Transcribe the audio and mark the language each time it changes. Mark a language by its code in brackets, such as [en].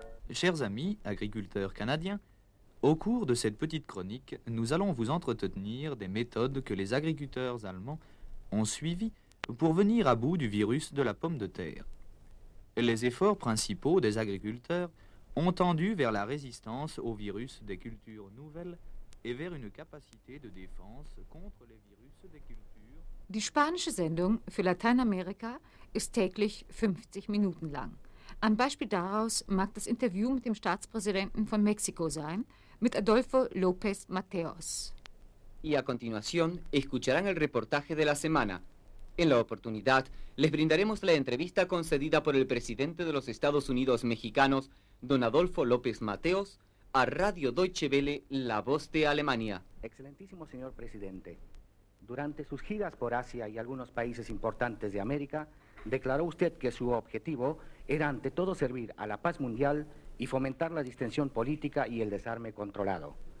[fr] Chers amis agriculteurs canadiens, au cours de cette petite chronique, nous allons vous entretenir des méthodes que les agriculteurs allemands ont suivies pour venir à bout du virus de la pomme de terre. Les efforts principaux des agriculteurs ont tendu vers la résistance au virus des cultures nouvelles et vers une capacité de défense contre les virus des cultures. [de] Die spanische Sendung für Lateinamerika ist täglich 50 Minuten lang. Ein Beispiel daraus mag das Interview mit dem Staatspräsidenten von Mexiko sein, mit Adolfo López Mateos. [es] Y a continuación escucharán el reportaje de la semana. En la oportunidad les brindaremos la entrevista concedida por el presidente de los Estados Unidos Mexicanos, Don Adolfo López Mateos, a Radio Deutsche Welle, la voz de Alemania. Excelentísimo señor presidente, durante sus giras por Asia y algunos países importantes de América, declaró usted que su objetivo era ante todo servir a la paz mundial y fomentar la distensión política y el desarme controlado.